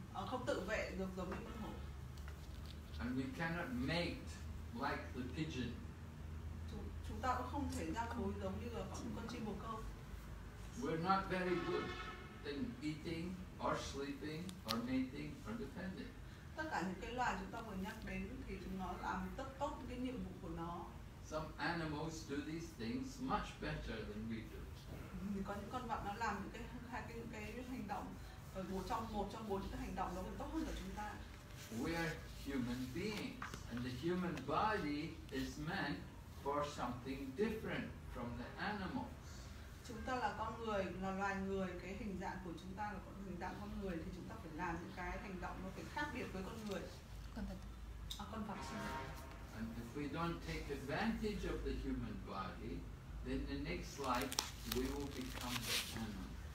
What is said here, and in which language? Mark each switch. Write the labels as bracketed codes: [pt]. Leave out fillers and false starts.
[vi] Không tự vệ được giống như con hổ. [en] And we cannot mate like the pigeon. [vi] Chúng ta cũng không thể giao phối giống như là con chim bồ câu. [en] We're not very good in eating or sleeping or mating or defending. [vi] Tất cả những cái loài chúng ta vừa nhắc đến thì chúng nó làm tất tốt cái nhiệm vụ của nó. [en] Some animals do these things much better than we do. [vi] Có những con vật nó làm những cái hành động. [en] We are human beings, and the human body is meant for something different from the animals. [vi] Chúng ta là con người, là loài người. Cái hình dạng của chúng ta là con hình dạng con người, thì chúng ta phải làm những cái hành động nó phải khác biệt với con người. Con vật. Con vật. [en] And if we don't take advantage of the human body, then the next life we will become the animal.